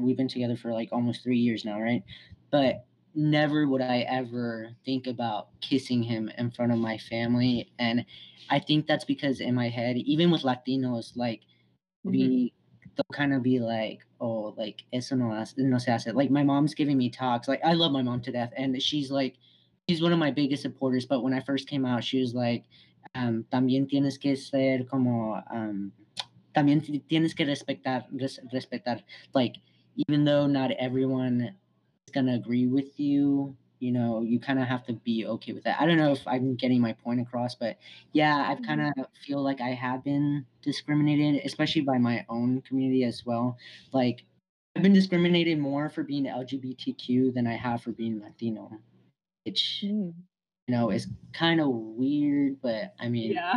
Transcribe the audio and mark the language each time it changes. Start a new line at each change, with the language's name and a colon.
English: We've been together for like almost 3 years now, right? But never would I ever think about kissing him in front of my family. And I think that's because in my head, even with Latinos, like they'll kind of be like, oh, like,
Spanish: eso no, no se hace.
English: Like, my mom's giving me talks. Like, I love my mom to death. And she's like, she's one of my biggest supporters. But when I first came out, she was like,
Spanish: también tienes que ser como, también tienes que respetar, respetar.
English: Like, even though not everyone is going to agree with you, you know, you kind of have to be okay with that. I don't know if I'm getting my point across, but yeah, I've kind of feel like I have been discriminated, especially by my own community as well. Like, I've been discriminated more for being LGBTQ than I have for being Latino, which, you know, is kind of weird, but I mean,